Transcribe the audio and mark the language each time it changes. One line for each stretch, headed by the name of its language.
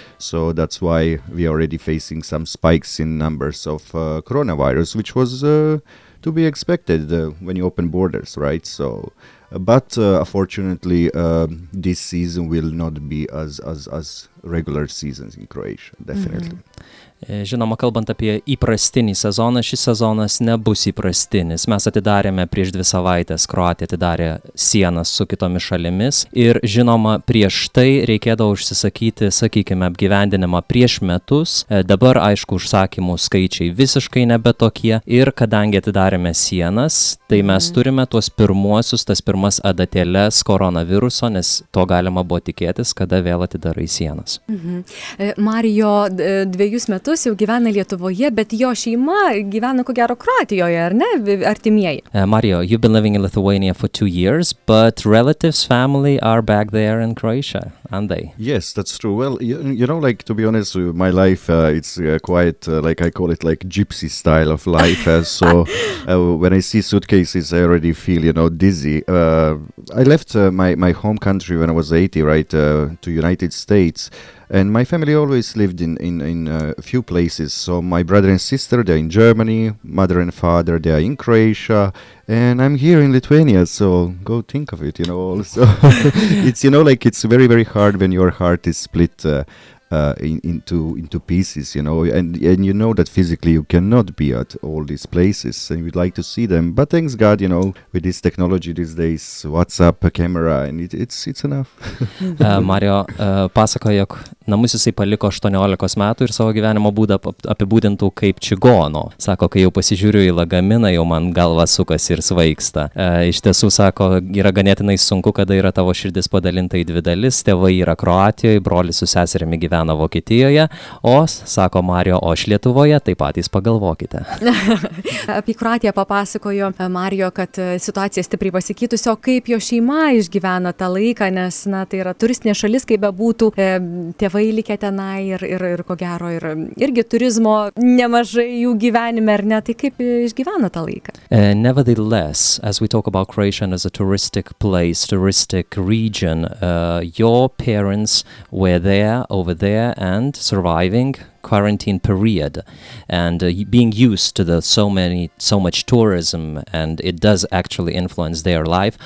English: So that's why we are already facing some spikes in numbers of coronavirus, which was to be expected when you open borders, right? So. But unfortunately, this season will not be as regular seasons in Croatia, definitely. Mm-hmm.
Lithuanian: Žinoma, kalbant apie įprastinį sezoną, šis sezonas nebus įprastinis. Mes atidarėme prieš 2 savaites, Kroatija atidarė sienas su kitomis šalimis. Ir žinoma, prieš tai reikėdavo užsisakyti, sakykime, apgyvendinimą prieš metus. Dabar, aišku, užsakymų skaičiai visiškai nebe tokie. Ir kadangi atidarėme sienas, tai mes turime tas pirmas adatėles koronaviruso, nes to galima buvo tikėtis, kada vėl atidarai sienas. Mm-hmm. Mario, 2 metus jau gyvena Lietuvoje, bet jo šeima gyvena ko gero Kroatijoje, ar ne, artimieji.
English: Mario, you've been living in Lithuania for 2 years, but relatives, family are back there in Croatia, aren't they? Yes, that's true. Well, you know, like, to be honest, my life, it's quite, like, I call it, like, gypsy style of life. So, when I see suitcases, I already feel, you know, dizzy. I left my home country when I was 80, right, to United States. And my family always lived in a few places. So my brother and sister, they're in Germany. Mother and father, they're in Croatia. And I'm here in Lithuania, so go think of it, you know. Also, it's, you know, like it's very, very hard when your heart is split into pieces, you know. And you know that physically you cannot be at all these places. And you'd like to see them. But thanks God, you know, with this technology these days, WhatsApp, a camera, and it's enough.
Lithuanian: Mario pasakojo, namus jisai paliko 18 metų ir savo gyvenimo būdą apibūdintų kaip čigono. Sako, kai jau pasižiūriu į lagaminą, jau man galva sukasi ir svaigsta. Iš tiesų, sako, yra ganėtinai sunku, kada yra tavo širdis padalinta į 2 dalis. Tėvai yra Kroatijoje, brolis su seserimi gyvena Vokietijoje. O, sako Mario, o aš Lietuvoje, tai patys pagalvokite. Apie Kroatiją papasakojo Mario, kad situacija stipriai pasikytusi, o kaip jo šeima išgyvena tą laiką, nes, na, tai yra turistinė šalis, kaip bebūtų. Tėvai likę tenai ir ko gero ir irgi turizmo nemažai jų gyvenime, ar ne, tai kaip išgyvena tą laiką?
English: Nevertheless, as we talk about Croatia as a touristic place, touristic region, your parents were there, over there and surviving quarantine period and being used to the so much tourism and it does actually influence their life.